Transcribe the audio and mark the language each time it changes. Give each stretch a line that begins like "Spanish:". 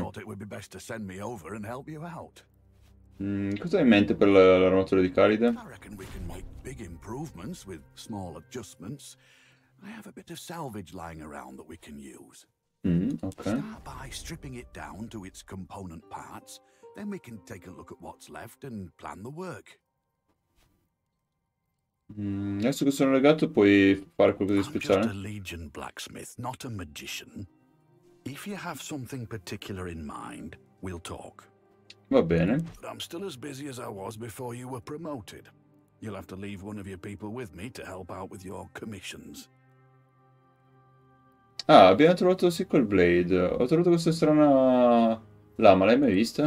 English: Thought it would be best to send me over and help you out.
Italian: Cosa hai in mente per l'armatura di Kalida?
English: I reckon we can make big improvements with small adjustments. I have a bit of salvage lying around that we can use. Okay. Start by stripping it down to its component parts. Then we can take a look at what's left and plan the work.
Italian: Adesso che sono legato puoi fare qualcosa di speciale?
English: I'm just a legion blacksmith, not a magician. If you have something particular in mind, we'll talk.
Italian: Va bene.
English: But I'm still as busy as I was before you were promoted. You'll have to leave one of your people with me to help out with your commissions.
Italian: Ah, abbiamo trovato Sickle Blade. Ho trovato questa strana lama, l'hai mai vista?